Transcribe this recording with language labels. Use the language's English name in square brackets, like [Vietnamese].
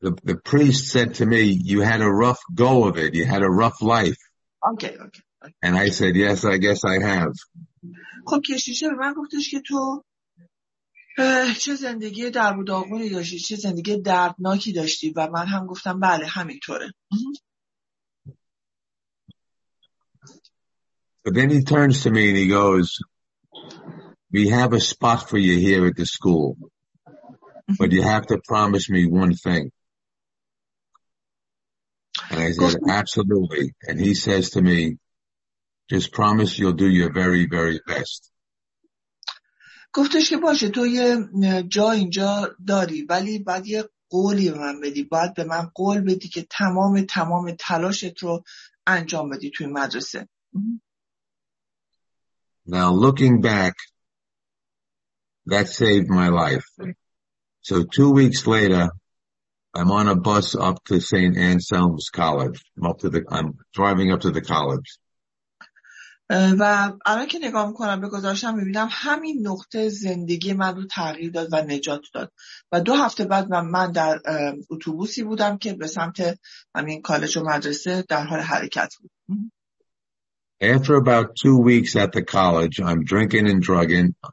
[English] The priest said to me, "You had a rough go of it. You had a rough life." Okay. And I said, "Yes, I guess I have." [Persian] خب کشیشه به من گفتش که تو چه زندگی دربوداغونی داشتی، چه زندگی دردناکی داشتی، و من هم گفتم بله همینطوره. [English] But then he turns to me and he goes, "We have a spot for you here at the school, but you have to promise me one thing." And I said, absolutely. And he says to me, just promise you'll do your very, very best. [Persian] گفتش که باشه تو یه جا اینجا داری ولی بعد یه قولی به من بدی، بعد به من قول بدی که تمام تلاشت رو انجام بدی توی مدرسه. [English] Now looking back, that saved my life. So 2 weeks later, I'm on a bus up to St. Anselm's College. I'm driving up to the college. [Persian] و الان که نگاه میکنم به گذاشتم میبینم همین نقطه زندگی من رو تغییر داد و نجات داد. و دو هفته بعد من در اتوبوسی بودم که به سمت همین کالج و مدرسه در حال حرکت بود. [English] After about 2 weeks at the college, I'm drinking and drugging.